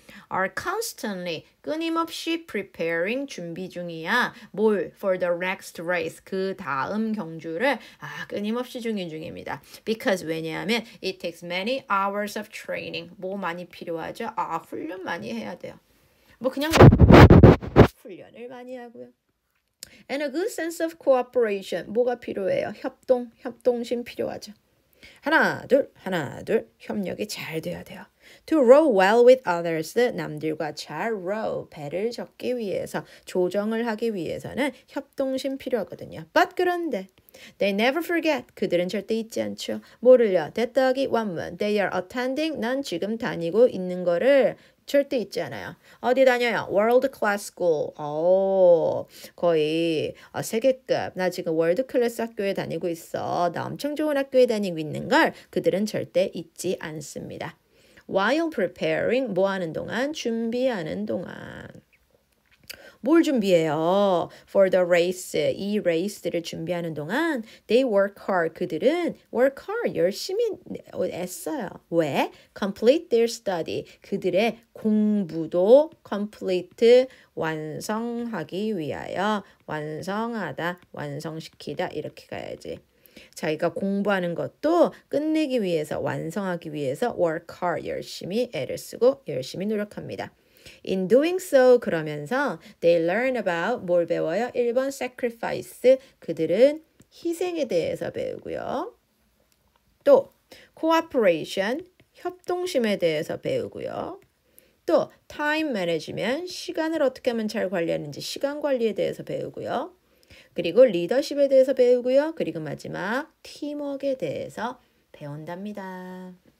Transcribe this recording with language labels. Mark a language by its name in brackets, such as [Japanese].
[English] are constantly, [Korean] 끊임없이 preparing, 준비 중이야. 뭘? [English] For the next race, [Korean] 그 다음 경주를 아, 끊임없이 준비 중입니다. [English] Because 왜냐하면 it takes many hours of training. [Korean] 뭐 많이 필요하죠? 아, 훈련 많이 해야 돼요. 뭐 그냥 훈련을 많이 하고요. [English] And a good sense of cooperation. [Korean] 뭐가 필요해요? 협동, 협동심 필요하죠. 하나, 둘, 하나, 둘. 협력이 잘 돼야 돼요. [English] To row well with others, [Korean] 남들과 잘 row, 배를 적기 위해서, 조정을 하기 위해서는 협동심 필요하거든요. But 그런데, [English] they never forget, [Korean] 그들은 절대 잊지 않죠. 모를려, 대따기 완문, [English] they are attending, [Korean] 난 지금 다니고 있는 거를 절대 잊지 않아요. 어디 다녀요? [English] World class school, [Korean] 오, 거의 세계급, 나 지금 월드 클래스 학교에 다니고 있어, 나 엄청 좋은 학교에 다니고 있는 걸 그들은 절대 잊지 않습니다. While preparing, 뭐 하는 동안? 준비하는 동안. 뭘 준비해요? [English] For the race, 이 race를 [Korean] 준비하는 동안, [English] they work hard, 그들은 work hard, [Korean] 열심히 애써요. 왜? [English] Complete their study, [Korean] 그들의 공부도 complete, 완성하기 위하여, 완성하다, 완성시키다, 이렇게 가야지. 자기가 공부하는 것도 끝내기 위해서, 완성하기 위해서 [English] work hard, [Korean] 열심히 애를 쓰고 열심히 노력합니다. [English] In doing so, 그러면서 they learn about [Korean] 뭘 배워요? [English] 1번 sacrifice, 그들은 [Korean] 희생에 대해서 배우고요. 또 cooperation, 협동심에 대해서 배우고요. 또 time management, 시간을 어떻게 하면 잘 관리하는지 시간 관리에 대해서 배우고요. 그리고 리더십에 대해서 배우고요. 그리고 마지막 팀워크에 대해서 배운답니다.